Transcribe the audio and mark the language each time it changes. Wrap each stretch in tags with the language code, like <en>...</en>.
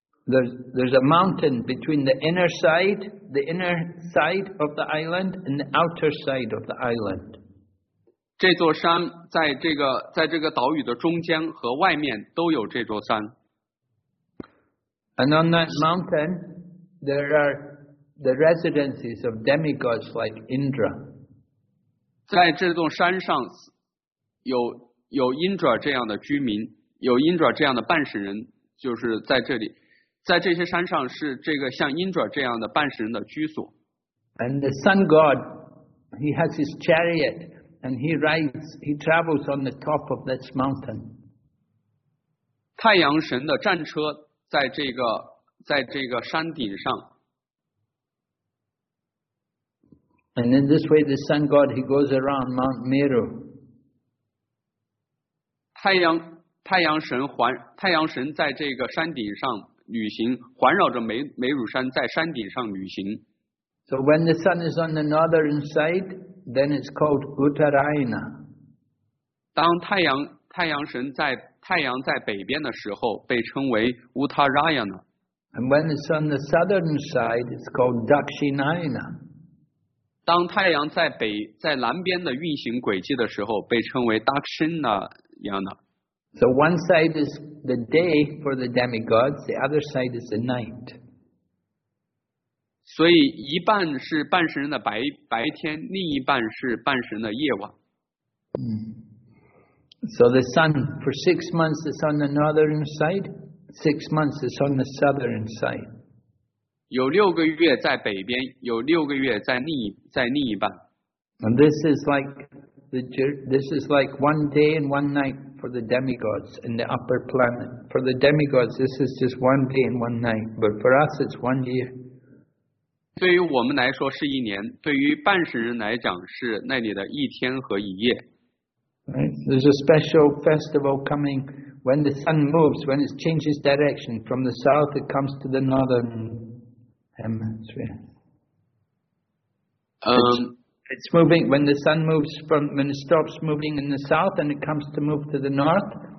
<en>There's a mountain between the inner side of the island and the outer side of the island.</en> <zh>这座山在这个岛屿的中间和外面都有这座山。</zh> <en>And on that mountain, there are the residences of demigods like Indra.</en> <zh>在这座山上有 Indra 这样的居民，有 Indra 这样的半神人，就是在这里。在这些山上是这个像 Indra 这样的半神人的居所。</zh> <en>And the sun god, he has his chariot, and he travels on the top of this mountain.</en> <zh>太阳神的战车在这个山顶上。</zh> <en>And in this way, the sun god, he goes around Mount Meru.</en> <zh>太阳神在这个山顶上。旅行环绕着梅乳山，在山顶上旅行。</zh> <en>So when the sun is on the northern side, then it's called Uttarayana.</en> <zh>当太阳在北边的时候，被称为 Uttarayana。</zh> <en>And when it's on the southern side, it's called Dakshinayana.</en> <zh>当太阳在南边的运行轨迹的时候，被称为 Dakshinayana。</zh> <en>So one side is the day for the demigods, the other side is the night.</en> <zh>所以一半是半神人的白天，另一半是半神人的夜晚。</zh> <en>So the sun for 6 months is on the northern side, 6 months is on the southern side.</en> <zh>有六个月在北边，有六个月在另一半。</zh> <en>And this is like one day and one night. For the demigods in the upper planet. For the demigods, this is just one day and one night. But for us, it's 1 year.</en> <zh>对于我们来说是一年，对于半神人来讲是那里的一天和一夜。</zh> <en>Right? There's a special festival coming when the sun moves, when it changes direction from the south, it comes to the northern hemisphere. It's moving when the sun moves from when it stops moving in the south and it comes to move to the north.</en>